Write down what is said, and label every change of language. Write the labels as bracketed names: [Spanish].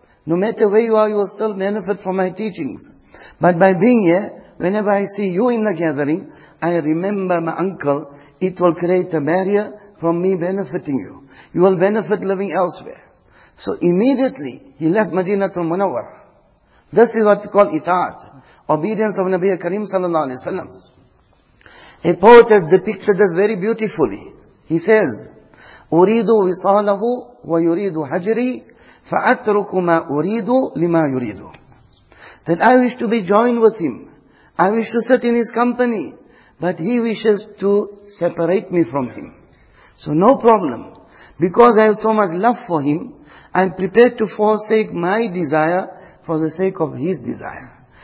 [English] No matter where you are, you will still benefit from my teachings. But by being here, whenever I see you in the gathering, I remember my uncle, it will create a barrier from me benefiting you. You will benefit living elsewhere. So immediately, he left Madinatul Munawwara. This is what you call itaat, obedience of Nabi Karim sallallahu alayhi wa sallam. A poet has depicted this very beautifully. He says, [Arabic] أُرِيدُ وِصَالَهُ وَيُرِيدُ حَجْرِي فَأَتْرُكُ مَا أُرِيدُ لِمَا يُرِيدُ. [English] That I wish to be joined with him. I wish to sit in his company. But he wishes to separate me from him. So no problem. Because I have so much love for him, I am prepared to forsake my desire for the sake of his desire.